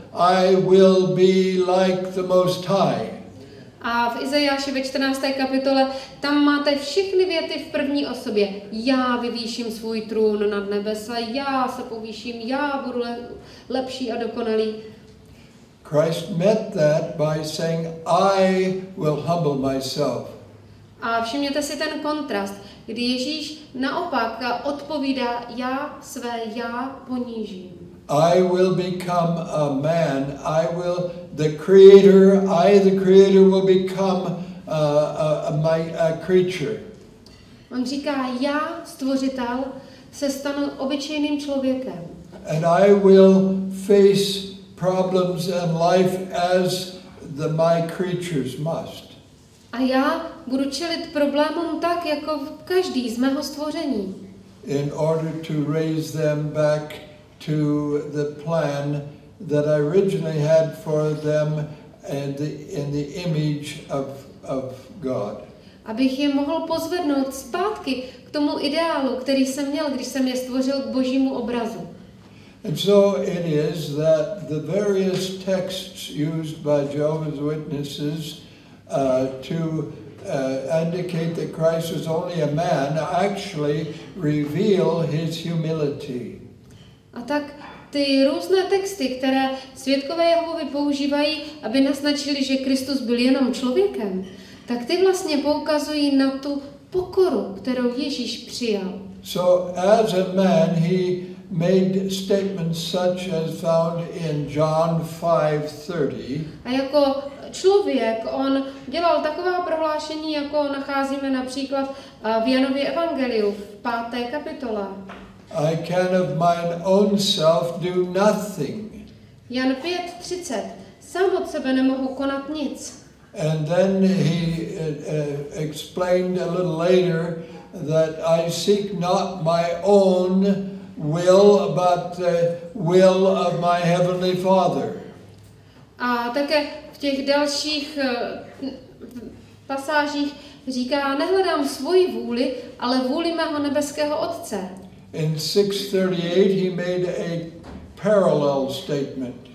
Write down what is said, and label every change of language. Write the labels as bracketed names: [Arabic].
[English] I will be like the Most High. [Czech] A v Izajáši ve 14. kapitole, tam máte všechny věty v první osobě. Já vyvýším svůj trůn nad nebesa, já se povýším, já budu lepší a dokonalý. [English] Christ met that by saying, I will humble myself. [Czech] A všimněte si ten kontrast, kdy Ježíš naopak odpovídá, já své já ponížím. [English] I will become a man. I will the creator. I the creator will become my creature. [Czech] On říká, já stvořitel se stanu obyčejným člověkem. [English] And I will face problems in life as the my creatures must. [Czech] A já budu čelit problémům tak jako každý z mého stvoření. [English] In order to raise them back to the plan that I originally had for them and in the image of God. [Czech] Abych je mohl pozvednout zpátky k tomu ideálu, který jsem měl, když jsem je stvořil k Božímu obrazu. [English] And so it is that the various texts used by Jehovah's Witnesses to indicate that Christ was only a man actually reveal his humility. [Czech] A tak ty různé texty, které svědkové Jehovy používají, aby naznačili, že Kristus byl jenom člověkem, tak ty vlastně poukazují na tu pokoru, kterou Ježíš přijal. [English] So as a man he made statements such as found in John 5:30. [Czech] A jako člověk on dělal taková prohlášení, jako nacházíme například v Janově evangeliu v 5. kapitole. [English] I can of mine own self do nothing. [Czech] Jan 5:30. Sám od sebe nemohu konat nic. [English] And then he explained a little later that I seek not my own will, but the will of my heavenly Father. [Czech] A také v těch dalších pasážích říká, nehledám svoji vůli, ale vůli mého nebeského Otce. [English] In 6:38 he made a parallel statement.